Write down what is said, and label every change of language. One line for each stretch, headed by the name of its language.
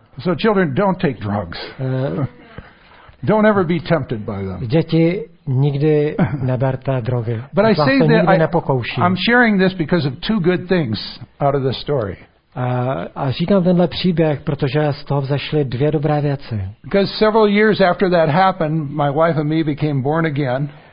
English: So children, don't take drugs. Don't ever be tempted by them.
Czech: Děti, nikdy neberte drogy.
English: But I say
Czech: nikdy
English: that
Czech: nepokouší.
English: I'm sharing this because of two good things out of the story.
Czech: A říkám tenhle příběh, protože z toho vzešly dvě dobré věci.
English: Because several years after that happened, my wife and me became born again.